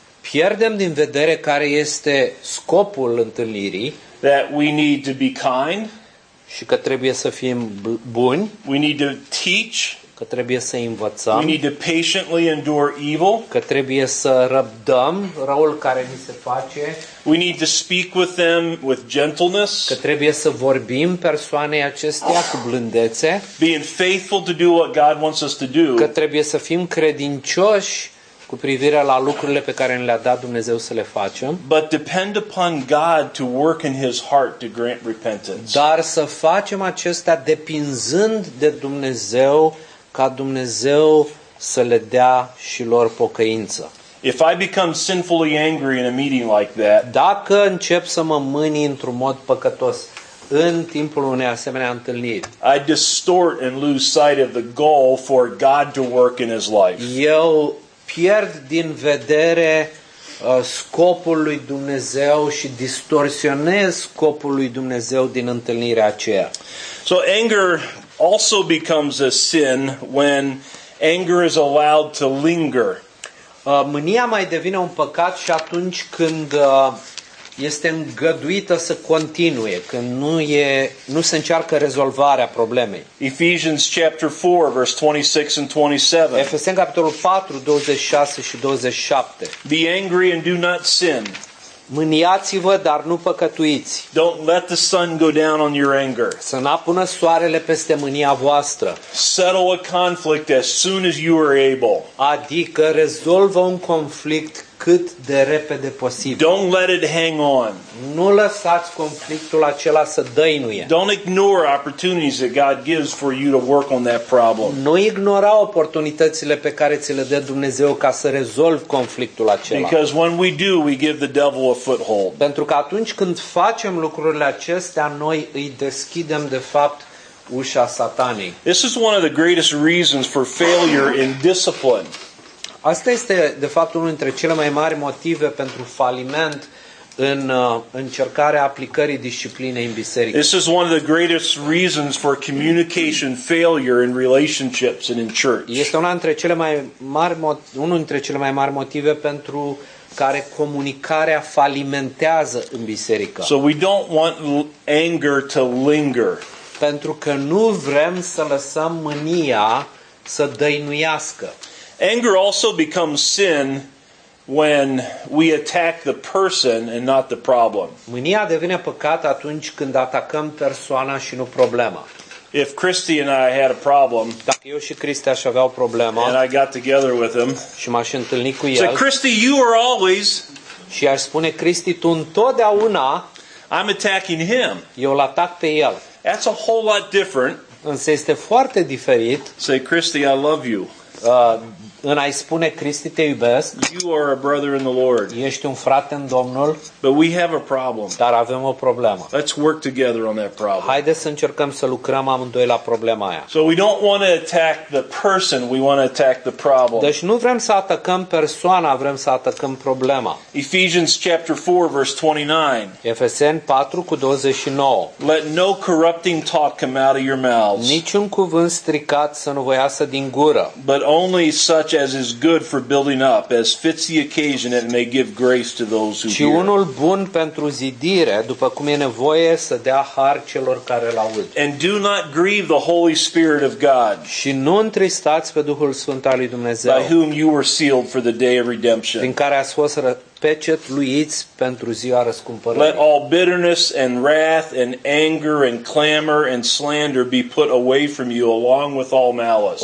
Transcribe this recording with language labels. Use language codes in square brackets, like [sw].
[ro] Pierdem din vedere care este scopul întâlnirii. [en] That we need to be kind. [ro] Și că trebuie să fim buni. [en] We need to teach. [ro] Că trebuie să învățăm. [en] We need to patiently endure evil. [ro] Că trebuie să răbdăm răul care ni se face. [en] We need to speak with them with gentleness. [ro] Că trebuie să vorbim persoanei acesteia cu blândețe. [en] Being faithful to do what God wants us to do. [ro] Că trebuie să fim credincioși cu privire la lucrurile pe care ne le-a dat Dumnezeu să le facem. [en] But depend upon God to work in his heart to grant repentance. [ro] Dar să facem acestea depinzând de Dumnezeu, ca Dumnezeu să le dea și lor pocăință. [en] If I become sinfully angry in a meeting like that, [ro] dacă încep să mă mâni într-un mod păcătos în timpul unei asemenea întâlniri, [en] I distort and lose sight of the goal for God to work in his life. [ro] Eu pierd din vedere scopul lui Dumnezeu și distorsionez scopul lui Dumnezeu din întâlnirea aceea. [en] So anger also becomes a sin when anger is allowed to linger. [ro] Mânia mai devine un păcat și atunci când este îngăduită să continue, când nu se încearcă rezolvarea problemei. [en] Ephesians chapter 4 verse 26 and 27. [ro] Efeseni capitolul 4 26 și 27. [en] Be angry and do not sin. [ro] Mâniați-vă, dar nu păcătuiți. [en] Don't let the sun go down on your anger. [ro] Să n-apună soarele peste mânia voastră. [en] Settle a conflict as soon as you are able. [ro] Adică rezolvă un conflict cât de repede posibil. [en] Don't let it hang on. [ro] Nu lăsați conflictul acela să dăinuie. [en] Don't ignore opportunities that God gives for you to work on that problem. [ro] Nu ignora oportunitățile pe care ți le dă Dumnezeu ca să rezolvi conflictul acela. [en] Because when we do, we give the devil a foothold. [ro] Pentru că atunci când facem lucrurile acestea, noi îi deschidem de fapt ușa satanei. [en] This is one of the greatest reasons for failure in discipline. [ro] Asta este de fapt unul dintre cele mai mari motive pentru faliment în încercarea aplicării disciplinei în biserică. [en] This is one of the greatest reasons for communication failure in relationships and in church. [ro] Este una dintre cele mai mari motive pentru care comunicarea falimentează în biserică. [en] So we don't want anger to linger. [ro] Pentru că nu vrem să lăsăm mânia să dăinuiască. [en] Anger also becomes sin when we attack the person and not the problem. [ro] Mânia devine păcat atunci când atacăm persoana și nu problema. [en] If Christy and I had a problem, [ro] dacă eu și Christy aș avea o problemă, [en] and I got together with him, [ro] și m-aș întâlni cu el, [en] so Christy, you are always, [ro] și aș spune, Christy, tu întotdeauna, [en] I'm attacking him. [ro] Eu îl atac pe el. [en] That's a whole lot different. [ro] Însă este foarte diferit. [en] Say, Christy, I love you. [ro] Când ai spune, Christy, te iubesc. [en] You are a brother in the Lord. [ro] Ești un frate în Domnul. [en] But we have a problem. [ro] Dar avem o problemă. [en] Let's work together on that problem. [ro] Haideți să încercăm să lucrăm amândoi la problema aia. [en] So we don't want to attack the person, we want to attack the problem. [ro] Deci nu vrem să atacăm persoana, vrem să atacăm problema. [en] Ephesians chapter 4 verse 29. [ro] Efeseni 4 cu 29. [en] Let no corrupting talk come out of your mouths. [ro] Niciun cuvânt stricat să nu vă iasă din gură. [en] But only such as is good for building up, as fits the occasion, and may give grace to those who hear. [ro] Ci unul bun pentru zidire, după cum e nevoie, să dea har celor care l-aud. [en] And do not grieve the Holy Spirit of God. [ro] Și nu întristați pe Duhul Sfânt al lui Dumnezeu. [en] By whom you were sealed for the day of redemption. [ro] Prin care ați fost pecetluiți pentru ziua răscumpărării. [en] Let all bitterness and wrath and anger and clamor and slander be put away from you along with all malice.